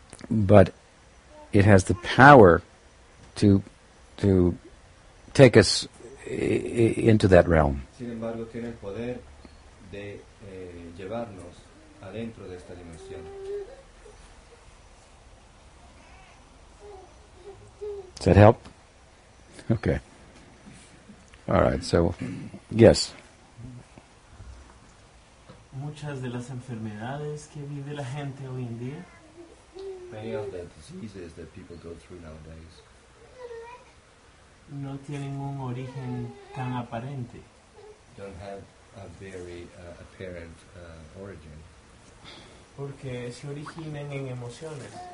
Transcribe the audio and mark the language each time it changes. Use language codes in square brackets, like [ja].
[en] But it has the power to take us into that realm. [es] Sin embargo, tiene el poder de llevarnos adentro de esta dimensión. [en] Does that help? Okay. All right, so, yes. [es] Muchas de las enfermedades que vive la gente hoy en día. [en] Many of the diseases that people go through nowadays. [es] No tienen un origen tan aparente. [en] Don't have a very apparent origin. [es] Porque se originan en emociones.